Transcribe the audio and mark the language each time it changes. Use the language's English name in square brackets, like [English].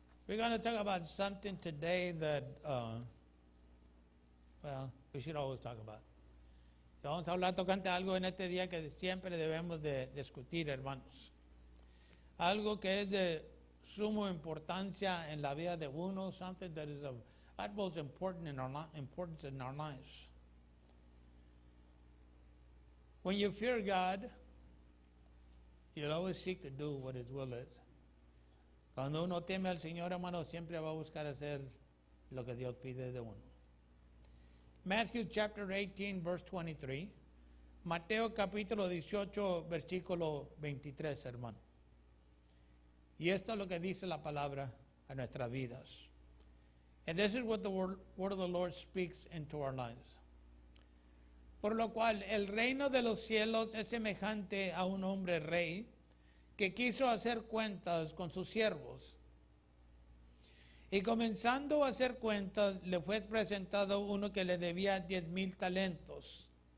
[English] We're going to talk about something today that, well, we should always talk about. [Spanish] Vamos a hablar tocante algo en este día que siempre debemos de discutir, hermanos. Algo que es de sumo importancia en la vida de uno, [English] something that is of utmost importance in our lives. When you fear God, you'll always seek to do what His will is. [Spanish] Cuando uno teme al Señor, hermano, siempre va a buscar hacer lo que Dios pide de uno. [English] Matthew chapter 18, verse 23. [Spanish] Mateo capítulo 18, versículo 23, hermano. Y esto es lo que dice la palabra a nuestras vidas. [English] And this is what the word of the Lord speaks into our lives. [Spanish] Por lo cual, el reino de los cielos es semejante a un hombre rey que quiso hacer cuentas con sus siervos. Y comenzando a hacer cuentas, le fue presentado uno que le debía 10,000 talentos.